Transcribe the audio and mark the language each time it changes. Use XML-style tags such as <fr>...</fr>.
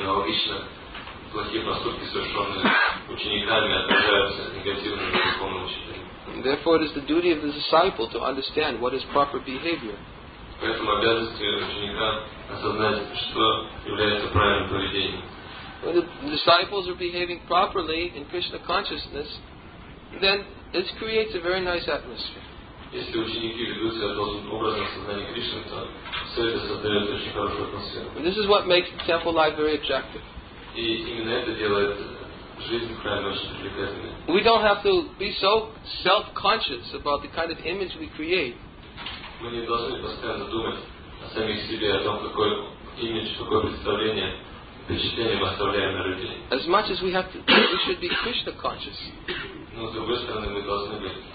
<ru>Аналогично, плохие поступки, совершенные учениками, отражаются негативно на духовном учителе.</ru> <en>Therefore, it is the duty of the disciple to understand what is proper behavior.</en> <ru>Поэтому обязанностью ученика осознать, что является правильным поведением.</ru> <en>When the disciples are behaving properly in Krishna consciousness, then it creates a very nice atmosphere.</en> <ru>Если ученики ведут себя должным образом в сознании Кришны, то с все это создает очень хорошую атмосферу.</ru> <en>And this is what makes the temple life very attractive.</en> <ru>И именно это делает жизнь в храме очень привлекательной.</ru> <en>We don't have to be so self-conscious about the kind of image we create.</en> <ru>Мы не должны постоянно думать о самих себе, о том, какой имидж, какое представление, впечатление мы оставляем на людей.</ru> <en>As much as we have to, we should be Krishna conscious.</en> <ru>Но с другой стороны, мы должны быть</ru>